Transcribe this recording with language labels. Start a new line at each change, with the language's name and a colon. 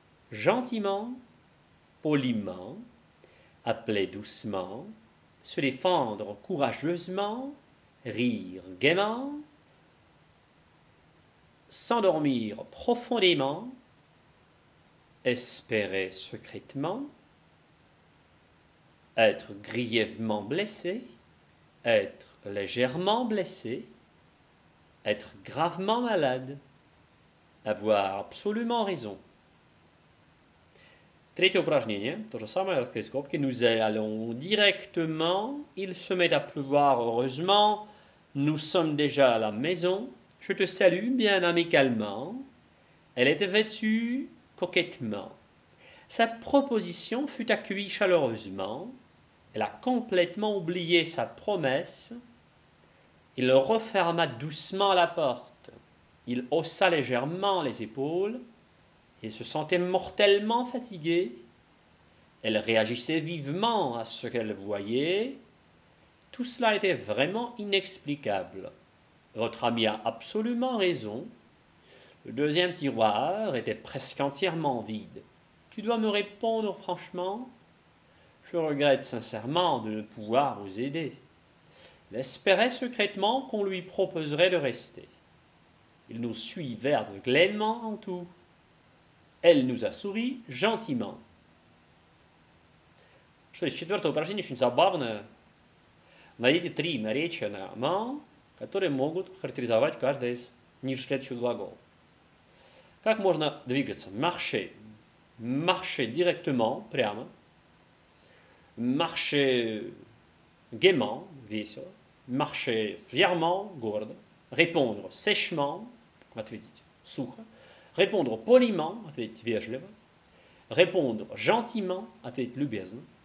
French: Gentiment, poliment, appeler doucement, se défendre courageusement, rire gaiement, s'endormir profondément, espérer secrètement, être grièvement blessé, être légèrement blessé, être gravement malade, avoir absolument raison.
Russian: Третье упражнение, то же самое, раскрыть скобки.
French: Nous allons directement, il se met à pleuvoir, heureusement, nous sommes déjà à la maison. Je te salue bien amicalement. Elle était vêtue coquettement. Sa proposition fut accueillie chaleureusement. Elle a complètement oublié sa promesse. Il referma doucement la porte. Il haussa légèrement les épaules. Il se sentait mortellement fatigué. Elle réagissait vivement à ce qu'elle voyait. Tout cela était vraiment inexplicable. Votre ami a absolument raison. Le deuxième tiroir était presque entièrement vide. Tu dois me répondre franchement. Je regrette sincèrement de ne pouvoir vous aider. Il espérait secrètement qu'on lui proposerait de rester. Il nous suivait aveuglément en tout. Elle nous a souri gentiment.
Russian: Что есть, четвертое упражнение очень забавное. Найдите три наречия на «ман», которые могут характеризовать каждое из ниже следующих глаголов. Как можно двигаться? Marcher.
French: Marcher directement, прямо. Marcher gaiement, весело. Marcher fièrement, гордо. Répondre sèchement,
Russian: ответить сухо.
French: Répondre poliment,
Russian: ответить вежливо.
French: Répondre gentiment,
Russian: ответить любезно.